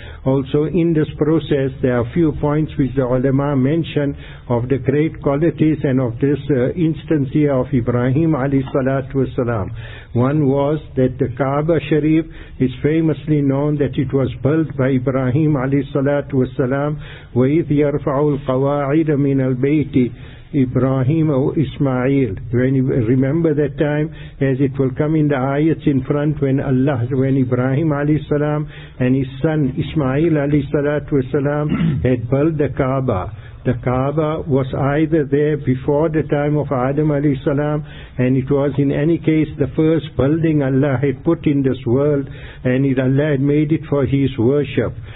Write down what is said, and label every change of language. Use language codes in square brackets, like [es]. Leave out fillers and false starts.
[en] Also in this process there are a few points which the ulama mention of the great qualities and of this instance here of Ibrahim alayhi salatu wasalam. One was that the Kaaba Sharif is famously known that it was built by Ibrahim alayhi salatu wasalam. [ar] وَإِذْ يَرْفَعُ الْقَوَاعِدَ مِنَ الْبَيْتِ Ibrahim or Ismail. [en] When you remember that time, as it will come in the ayats in front, when Ibrahim alayhi salam and his son Ismail alayhi salatu wasalam had built the Kaaba. The Kaaba was either there before the time of Adam alayhi salam, and it was in any case the first building Allah had put in this world, and Allah had made it for his worship.